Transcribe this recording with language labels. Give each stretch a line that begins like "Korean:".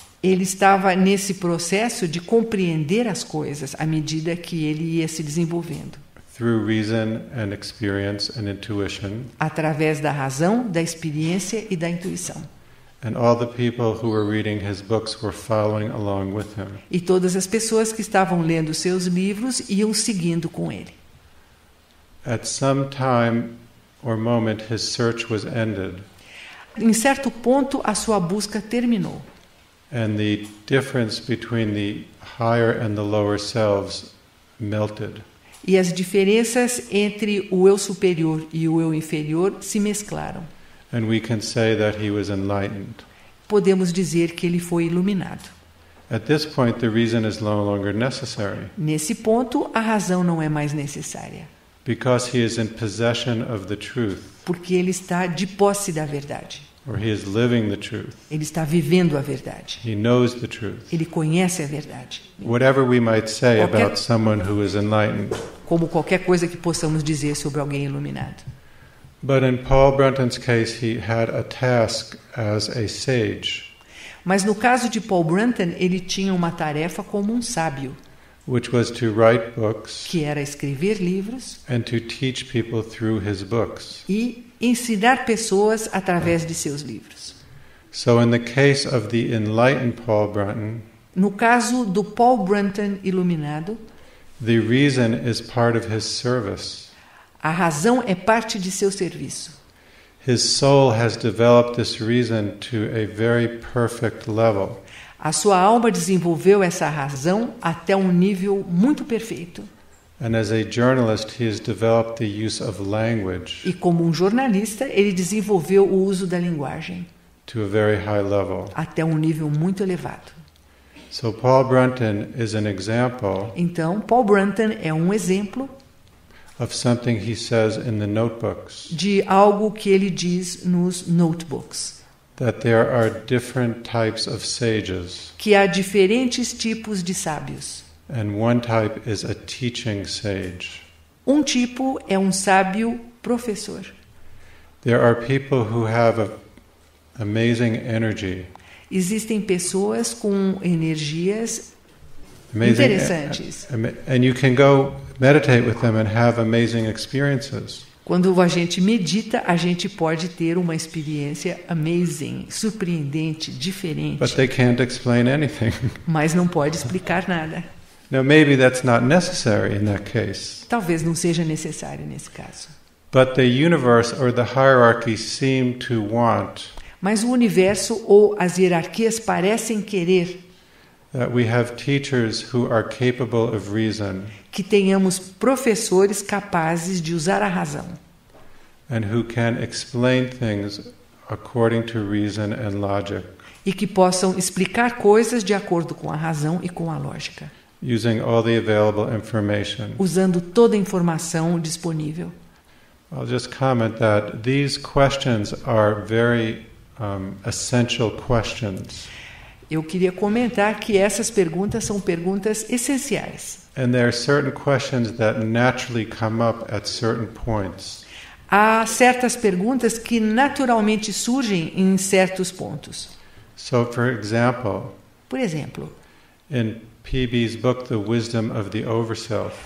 Portuguese: Ele estava nesse processo de compreender as coisas à medida que ele ia se desenvolvendo.
English: Through reason and experience and intuition.
Portuguese: Através da razão, da experiência e da intuição.
English: And all the people who were reading his books were following along with him.
Portuguese: E todas as pessoas que estavam lendo seus livros iam seguindo com ele.
English: At some time or moment his search was ended.
Portuguese: Em certo ponto a sua busca terminou.
English: And the difference between the higher and the lower selves melted.
Portuguese: E as diferenças entre o eu superior e o eu inferior se mesclaram.
English: And we can say that he was enlightened.
Portuguese: Podemos dizer que ele foi iluminado.
English: At this point, the reason is no longer necessary.
Portuguese: Nesse ponto, a razão não é mais necessária.
English: Because he is in possession of the truth.
Portuguese: Porque ele está de posse da verdade.
English: Or he is living the truth.
Portuguese: Ele está vivendo a verdade.
English: He knows the truth.
Portuguese: Ele conhece a verdade.
English: Whatever we might say
Portuguese: qualquer...
English: about someone who is enlightened.
Portuguese: Como qualquer coisa que possamos dizer sobre alguém iluminado.
English: But in Paul Brunton's case, he had a task as a sage.
Portuguese: Mas no caso de Paul Brunton, ele tinha uma tarefa como um sábio.
English: Which was to write books.
Portuguese: Que era escrever livros.
English: And to teach people through his books.
Portuguese: E ensinar pessoas através de seus livros.
English: So in the case of the enlightened Paul Brunton,
Portuguese: no caso do Paul Brunton iluminado,
English: the reason is part of his service.
Portuguese: A razão é parte de seu serviço.
English: His soul has developed this reason to a very perfect level.
Portuguese: A sua alma desenvolveu essa razão até um nível muito perfeito.
English: And as a journalist, he has developed the use of language.
Portuguese: E como jornalista, ele desenvolveu o uso da linguagem.
English: To a very high level.
Portuguese: Até nível muito elevado.
English: So Paul Brunton is an example.
Portuguese: Então, Paul Brunton é exemplo.
English: Of something he says in the notebooks.
Portuguese: De algo que ele diz nos notebooks.
English: That there are different types of sages.
Portuguese: Que há diferentes tipos de sábios.
English: And one type is a teaching sage.
Portuguese: Tipo é sábio professor.
English: There are people who have amazing energy.
Portuguese: Existem pessoas com energias amazing, interessantes.
English: And you can go meditate with them and have amazing experiences.
Portuguese: Quando a gente medita, a gente pode ter uma experiência amazing, surpreendente, diferente.
English: But they can't explain anything.
Portuguese: Mas não pode explicar nada.
English: Now maybe that's not necessary in that case.
Portuguese: Talvez não seja necessário nesse caso.
English: But the universe or the hierarchy seem to want.
Portuguese: Mas o universo ou as hierarquias parecem querer.
English: That we have teachers who are capable of reason.
Portuguese: Que tenhamos professores capazes de usar a razão.
English: And who can explain things according to reason and logic.
Portuguese: e que possam explicar coisas de acordo com a razão e com a lógica.
English: Using all the available information.
Portuguese: Usando toda a informação disponível.
English: I'll just comment that these questions are very essential questions.
Portuguese: Eu queria comentar que essas perguntas são perguntas essenciais.
English: And there are certain questions that naturally come up at certain points.
Portuguese: Há certas perguntas que naturalmente surgem em certos pontos.
English: So, for example,
Portuguese: por exemplo,
English: in PB's book The Wisdom of the Overself,